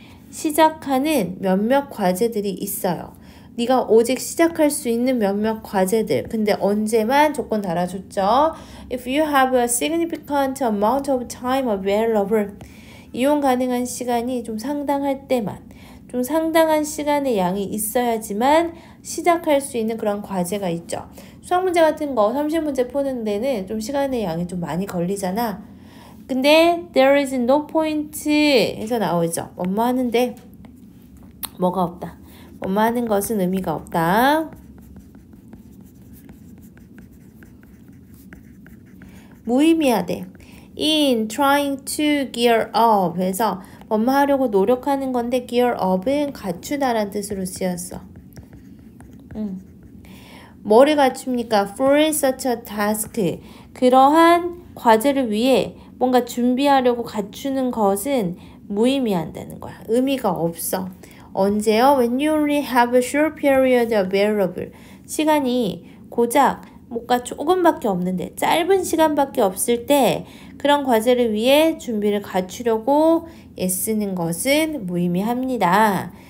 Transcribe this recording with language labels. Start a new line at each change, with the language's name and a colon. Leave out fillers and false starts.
Korean: 시작하는 몇몇 과제들이 있어요. 네가 오직 시작할 수 있는 몇몇 과제들. 근데 언제만 조건 달아줬죠?
English: If you have a significant amount of time available.
Korean: 이용 가능한 시간이 좀 상당할 때만. 좀 상당한 시간의 양이 있어야지만 시작할 수 있는 그런 과제가 있죠. 수학문제 같은 거 30문제 푸는 데는 좀 시간의 양이 좀 많이 걸리잖아. 근데
English: there is no point
Korean: 해서 나오죠. 뭐뭐 하는데 뭐가 없다. 뭐뭐 하는 것은 의미가 없다. 무의미하대.
English: In trying to gear up
Korean: 해서 뭐뭐 하려고 노력하는 건데 gear up은 갖추다란 뜻으로 쓰였어. 뭐를 갖춥니까?
English: For such a task.
Korean: 그러한 과제를 위해 뭔가 준비하려고 갖추는 것은 무의미한다는 거야. 의미가 없어. 언제요?
English: When you only have a short period available.
Korean: 시간이 고작 뭔가 조금밖에 없는데 짧은 시간밖에 없을 때 그런 과제를 위해 준비를 갖추려고 애쓰는 것은 무의미합니다.